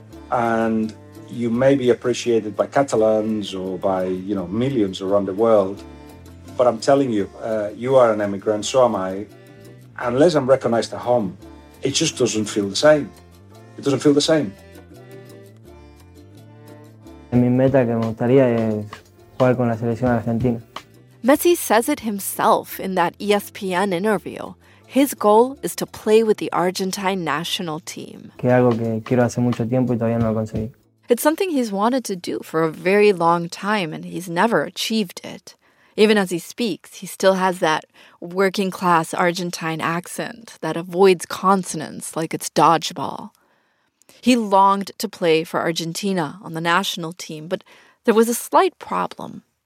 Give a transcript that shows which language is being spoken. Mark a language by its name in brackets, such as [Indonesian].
[English] And you may be appreciated by Catalans or by, you know, millions around the world. But I'm telling you, you are an immigrant, so am I. Unless I'm recognized at home, it just doesn't feel the same. It doesn't feel the same. [Spanish] Mi meta que me gustaría es jugar con la selección argentina. [English] Messi says it himself in that ESPN interview. His goal is to play with the Argentine national team. [Spanish] Que algo que quiero hace mucho tiempo y todavía no lo conseguí. [English] It's something he's wanted to do for a very long time and he's never achieved it. Even as he speaks, he still has that working class Argentine accent that avoids consonants like it's dodgeball. He longed to play for Argentina on the national team, but there was a slight problem.